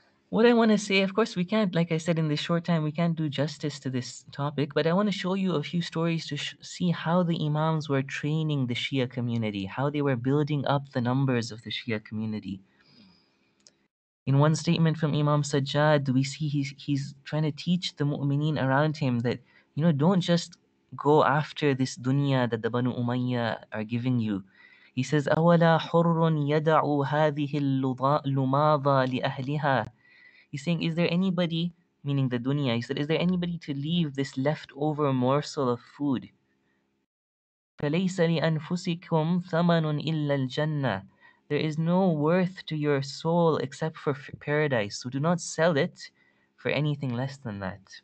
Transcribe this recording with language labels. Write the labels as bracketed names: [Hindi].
[English] What I want to say, of course, we can't, like I said, in this short time, we can't do justice to this topic, but I want to show you a few stories to see how the Imams were training the Shia community, how they were building up the numbers of the Shia community. In one statement from Imam Sajjad, we see he's trying to teach the mu'mineen around him that, you know, don't just go after this dunya that the Banu Umayyah are giving you. He says, [Arabic] أَوَلَا حُرٌّ يَدَعُ هَذِهِ اللُّمَاضَ لِأَهْلِهَا. [English] He's saying, is there anybody, meaning the dunya, he said, is there anybody to leave this leftover morsel of food? [Arabic] فَلَيْسَ لِأَنفُسِكُمْ ثَمَنٌ إِلَّا الْجَنَّةِ. [English] There is no worth to your soul except for paradise. So do not sell it for anything less than that.